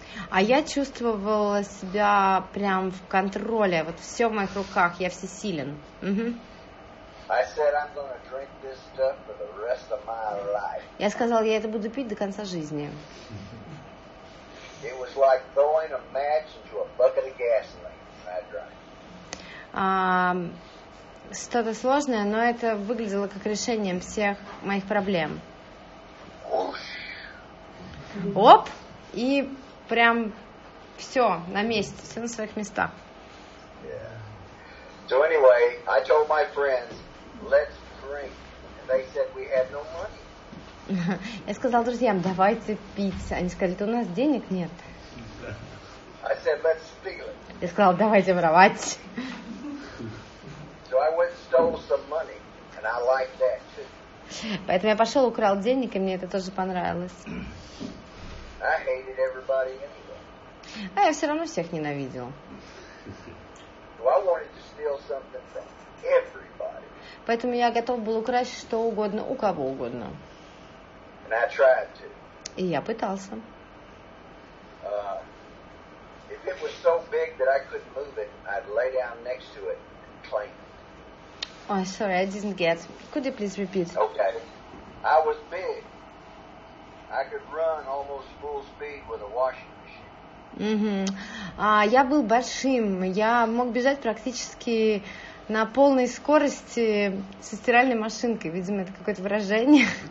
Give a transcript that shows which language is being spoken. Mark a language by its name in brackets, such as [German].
[Russian] А я чувствовала себя прям в контроле. Вот все в моих руках, я всесилен. [English] I said I'm gonna drink this stuff for the rest of my life. [Russian] Я сказал, я это буду пить до конца жизни. [English] It was like throwing a match into a bucket of gasoline when I drank. [Russian] Что-то сложное, но это выглядело как решением всех моих проблем. Оп, и прям все на месте, все на своих местах. [English] Yeah. So anyway, I told my friends, let's drink. And they said we had no money. [Russian] Я сказал друзьям, давайте пить. Они сказали, у нас денег нет. [English] I said, let's steal it. [Russian] Я сказал, давайте воровать. [English] So I went and stole some money, and I liked that too. [Russian] Поэтому я пошел, украл денег, и мне это тоже понравилось. [English] I hated everybody anyway. [Russian] А я все равно всех ненавидел. [English] Well, I wanted to steal something from everybody. [Russian] Поэтому я готов был украсть что угодно у кого угодно. [English] And I tried to. [Russian] И я пытался. [English] If it was so big that I couldn't move it, I'd lay down next to it and claim. Oh, sorry, I didn't get. Could you please repeat? Okay. I was big. I could run almost full speed with a washing machine. [Russian] Я был большим. Я мог бежать практически на полной скорости со стиральной машинкой. Видимо, это какое-то выражение.